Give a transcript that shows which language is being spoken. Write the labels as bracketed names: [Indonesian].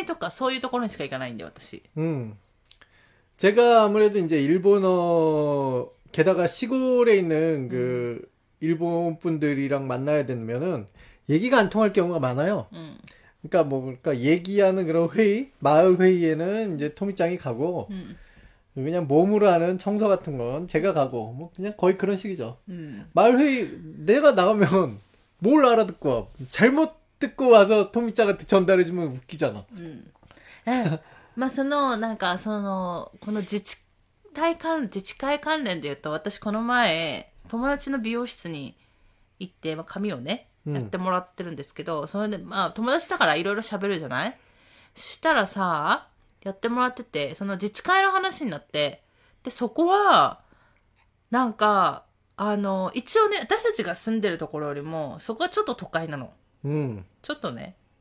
[Japanese] そう、私が出ると逆でね、なんか珍しがられるというか、出ないから基本。話し合いとかそういうところにしか行かないんで、私。 [Korean] 제가 아무래도 이제 일본어 게다가 시골에 있는 그 일본 분들이랑 만나야 되면은 얘기가 안 통할 경우가 많아요. 그러니까 뭐 그러니까 얘기하는 그런 회의, 마을 회의에는 이제 토미짱이 가고 그냥 몸으로 하는 청소 같은 건 제가 가고 뭐 그냥 거의 그런 식이죠. 마을 회의 내가 나가면 뭘 알아듣고 와. 잘못 듣고 와서 토미짱한테 전달해 주면 웃기잖아. [Japanese] まあ、その、なんか、その、この自治体関連、自治会関連で言うと、私この前、友達の美容室に行って、まあ、髪をね、やってもらってるんですけど、それで、まあ、友達だからいろいろ喋るじゃない？したらさ、やってもらってて、その自治会の話になって、で、そこは、なんか、一応ね、私たちが住んでるところよりも、そこはちょっと都会なの。ちょっとね。